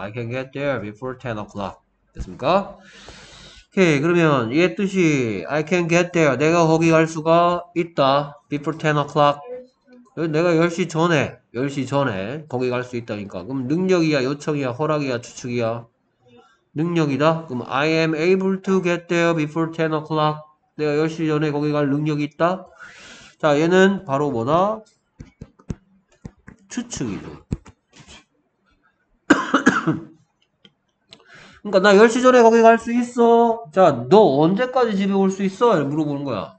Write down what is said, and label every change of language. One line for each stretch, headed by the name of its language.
English: I can get there before 10 o'clock.
Korean: 됐습니까? 오케이. 그러면 이 뜻이
English: I can get there.
Korean: 내가 거기 갈 수가 있다.
English: before 10 o'clock.
Korean: 내가 10시 전에 거기 갈 수 있다니까. 그럼 능력이야, 요청이야, 허락이야, 추측이야? 능력이다?
English: 그럼 I am able to get there before 10 o'clock.
Korean: 내가 10시 전에 거기 갈 능력이 있다? 자, 얘는 바로 뭐다? 추측이죠. 그러니까 나 10시 전에 거기 갈 수 있어. 자, 너 언제까지 집에 올 수 있어? 물어보는 거야.